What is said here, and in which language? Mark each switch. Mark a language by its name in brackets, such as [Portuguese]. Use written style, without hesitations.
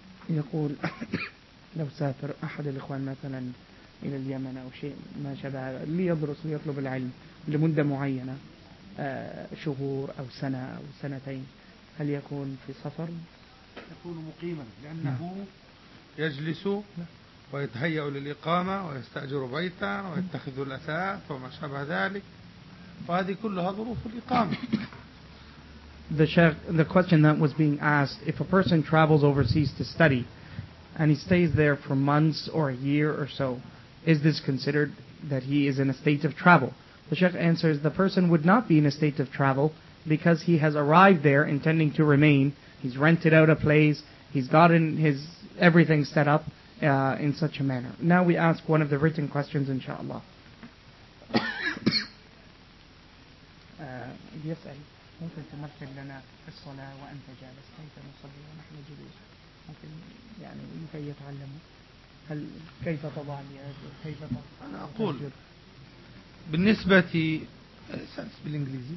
[Arabic] يقول لو سافر أحد الإخوان مثلاً إلى اليمن أو شيء ما شابه ليدرس ليطلب العلم لمدة معينة شهور أو سنة أو سنتين، هل يكون في سفر؟ يكون مقيما لأنه يجلس ويتهيأ للإقامة ويستأجر بيتا ويتخذ الأثاث وما شابه ذلك، وهذه كلها ظروف الإقامة. [English] The question that was being asked, if a person travels overseas to study and he stays there for months or a year or so, is this considered that he is in a state of travel? The Sheikh answers, the person would not be in a state of travel because he has arrived there intending to remain. He's rented out a place. He's gotten his everything set up in such a manner. Now we ask one of the written questions, inshallah. [Arabic] Yes, ممكن تمثل لنا الصلاة وأنت جالس، كيف نصلي ونحن جلوس؟ ممكن يعني لكي يتعلموا هل كيف تضع اليد وكيف تضع؟ أنا أقول بالنسبة بالإنجليزي.